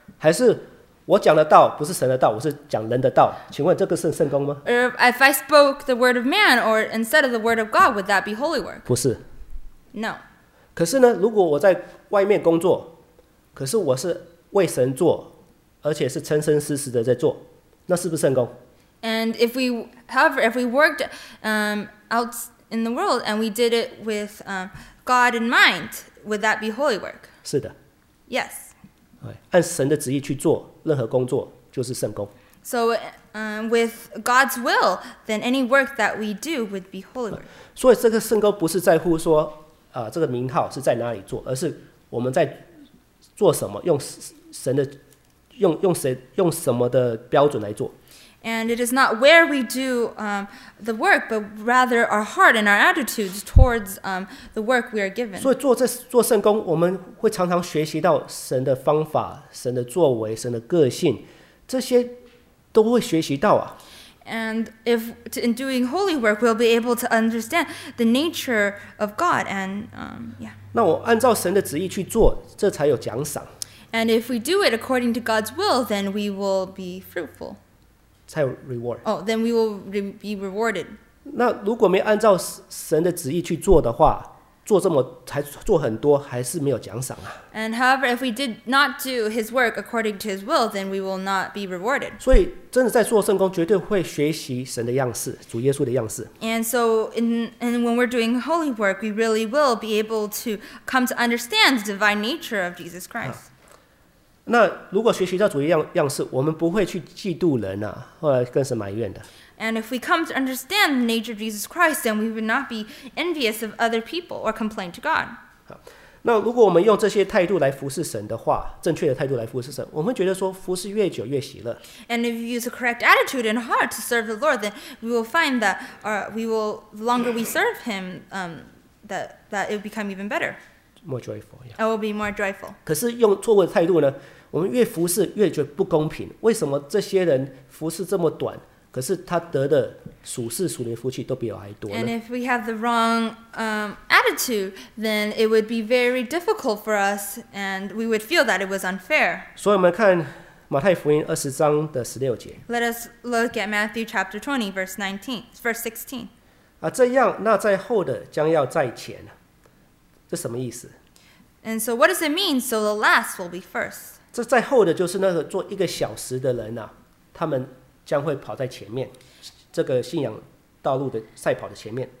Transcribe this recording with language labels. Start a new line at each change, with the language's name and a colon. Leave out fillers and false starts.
Chinese: 还是我讲的道不是神的道，我是讲人的道，请问这个是圣工吗？
English: Or if I spoke the word of man, or instead of the word of God, would that be holy work?
Chinese: 不是。
English: No.
Chinese: 可是呢，如果我在外面工作，可是我是为神做，而且是真真实实的在做，那是不是圣工？
English: And if we worked out in the world and we did it with God in mind, would that be holy work?
Chinese: 是的。
English: Yes.
Chinese: 按神的旨意去做任何工作就是圣工。
English: So, with God's will, then any work that we do would be holy work.
Chinese: 所以这个圣工不是在乎说这个名号是在哪里做，而是我们在做什么，用神的用什么的标准来做。
English: And it is not where we do the work, but rather our heart and our attitudes towards the work we are given.
Chinese: 所以做圣工，我们会常常学习到神的方法、神的作为、神的个性，这些都会学习到啊。
English: And if in doing holy work, we'll be able to understand the nature of God and yeah.
Chinese: 那我按照神的旨意去做，这才有奖赏。
English: And if we do it according to God's will, then we will be fruitful.
Chinese: 才有 reward.
English: Oh, then we will be rewarded.
Chinese: 那如果没按照神的旨意去做的话，做这么才做很多，还是没有奖赏啊。
English: And however, if we did not do his work according to his will, then we will not be rewarded.
Chinese: 所以真的在做圣工，绝对会学习神的样式，主耶稣的样式。
English: And so, when we're doing holy work, we really will be able to come to understand the divine nature of Jesus Christ.
Chinese: 那如果学习到主的样式，我们不会去嫉妒人啊，或者更是埋怨的。
English: And if we come to understand the nature of Jesus Christ, then we would not be envious of other people or complain to God.
Chinese: 那如果我们用这些态度来服侍神的话，正确的态度来服侍神，我们觉得说服侍越久越喜乐。
English: And if you use a correct attitude and heart to serve the Lord, then we will find that the longer we serve Him, that it will become even better. More joyful, yeah. I will be more joyful.
Chinese: 可是用错误的态度呢，我们越服侍越觉得不公平。为什么这些人服侍这么短，可是他得的属世属灵福气都比我还多呢？
English: And if we have the wrong attitude, then it would be very difficult for us, and we would feel that it was unfair.
Chinese: 所以我们看马太福音20章的16节。
English: Let us look at Matthew chapter 20, verse 19, verse 16.
Chinese: 啊，这样那在后的将要在前。这什么意思？
English: And so what does it mean? So the last will be first.
Chinese: 这在后的就是那个做一个小时的人啊，他们将会跑在前面，这个信仰道路的赛跑的前面。